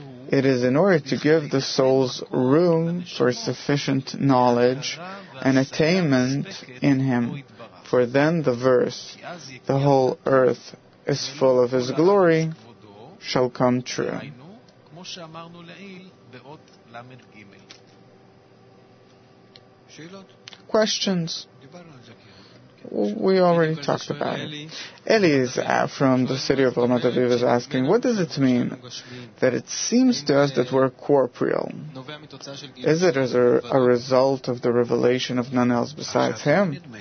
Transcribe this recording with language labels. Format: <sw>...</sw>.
<en>It is in order to give the souls room for sufficient knowledge and attainment in Him. For then the verse, "The whole earth is full of His glory," shall come true.</en> <he>כמו שאמרנו לעיל, באות למד גימל.</he> <en>Questions? We already talked about it. Eli's from the city of Ramat Aviv is asking, what does it mean that it seems to us that we're corporeal? Is it as a result of the revelation of none else besides him?</en>